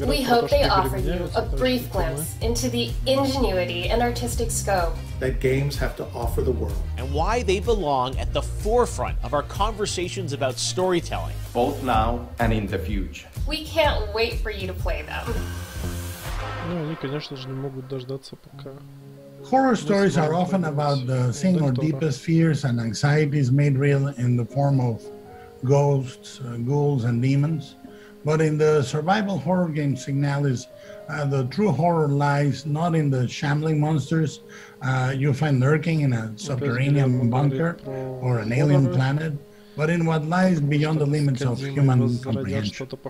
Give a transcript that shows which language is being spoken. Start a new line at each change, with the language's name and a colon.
English: We hope they offer you a brief glimpse into the ingenuity and artistic scope that games have to offer the world. And why they belong at the forefront of our conversations about storytelling, both now and in the future. We can't wait for you to play them.
Russian: Ну, они, конечно же, не могут дождаться пока.
English: Horror stories are often about the single deepest fears and anxieties made real in the form of ghosts, ghouls, and demons. But in the survival horror game Signalis, the true horror lies not in the shambling monsters you find lurking in a subterranean bunker or an alien planet, but in what lies beyond the limits of human comprehension.